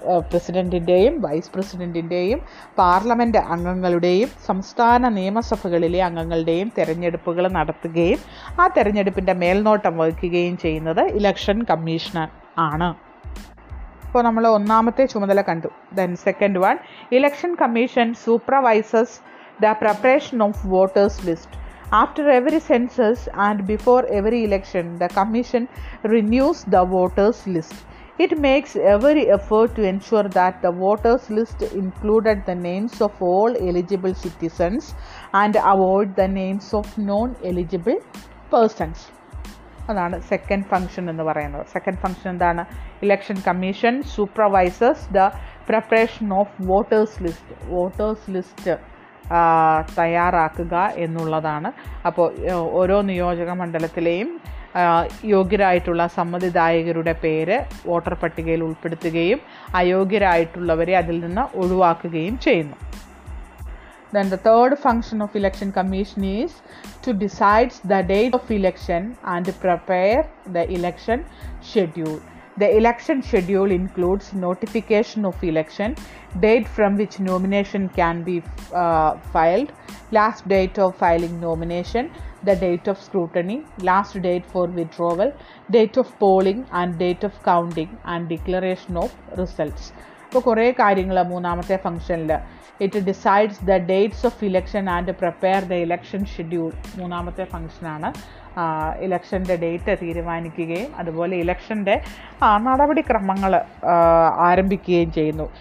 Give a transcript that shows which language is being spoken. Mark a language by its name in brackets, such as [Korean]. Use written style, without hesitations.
[Malayalam] പ്രസിഡൻറ്റിൻ്റെയും vice പ്രസിഡൻറ്റിൻ്റെയും parliament അംഗങ്ങളുടെയും സംസ്ഥാന നിയമസഭകളിലെ അംഗങ്ങളുടെയും തെരഞ്ഞെടുപ്പുകൾ നടത്തുകയും ആ തെരഞ്ഞെടുപ്പിൻ്റെ മേൽനോട്ടം വഹിക്കുകയും ചെയ്യുന്നത് ഇലക്ഷൻ കമ്മീഷണർ ആണ്. ഇപ്പോൾ നമ്മൾ ഒന്നാമത്തെ ചുമതല കണ്ടു. [English] Then second one, election commission supervises the preparation of voters list. After every census and before every election, the commission renews the voters list. It makes every effort to ensure that the voters list included the names of all eligible citizens and avoid the names of non-eligible persons. [Malayalam] അതാണ് second function എന്ന് പറയുന്നത്. Second function എന്താണ്? [English] Election commission supervises the preparation of voters list. [Malayalam] Voters list തയ്യാറാക്കുക എന്നുള്ളതാണ്. അപ്പോൾ ഓരോ നിയോജക മണ്ഡലത്തിലെയും യോഗ്യരായിട്ടുള്ള സമ്മതിദായകരുടെ പേര് വോട്ടർ പട്ടികയിൽ ഉൾപ്പെടുത്തുകയും അയോഗ്യരായിട്ടുള്ളവരെ അതിൽ നിന്ന് ഒഴിവാക്കുകയും ചെയ്യുന്നു. [English] Then the third function of election commission is to decide the date of election and prepare the election schedule. The election schedule includes notification of election, date from which nomination can be filed, last date of filing nomination, the date of scrutiny, last date for withdrawal, date of polling and date of counting and declaration of results. [Malayalam] ഇപ്പോൾ കുറേ കാര്യങ്ങൾ മൂന്നാമത്തെ ഫംഗ്ഷനിൽ. [English] It decides the dates of election and prepare the election schedule. [Malayalam] മൂന്നാമത്തെ ഫംഗ്ഷനാണ് ഇലക്ഷൻ്റെ date തീരുമാനിക്കുകയും അതുപോലെ ഇലക്ഷൻ്റെ നടപടിക്രമങ്ങൾ ആരംഭിക്കുകയും ചെയ്യുന്നു.